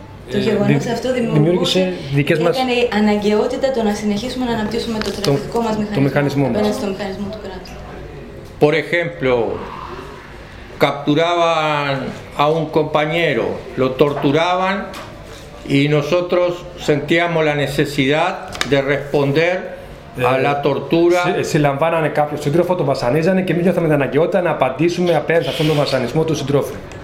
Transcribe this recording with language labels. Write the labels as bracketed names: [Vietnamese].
[Greek] το γεγονός αυτό δημιούργησε δικές μας. Έκανε αναγκαιότητα το να συνεχίσουμε να αναπτύσσουμε το στρατιωτικό μας μηχανισμό. Το μηχανισμό του κράτους. [Spanish] Por ejemplo, capturaban a un compañero, lo torturaban y nosotros sentíamos la necesidad de responder a la tortura. [Greek] Συλλαμβάνανε κάποιον σύντροφο, τον βασανίζανε και εμείς νιώθαμε την αναγκαιότητα να απαντήσουμε απέναντι σε αυτόν τον βασανισμό του συντρόφου.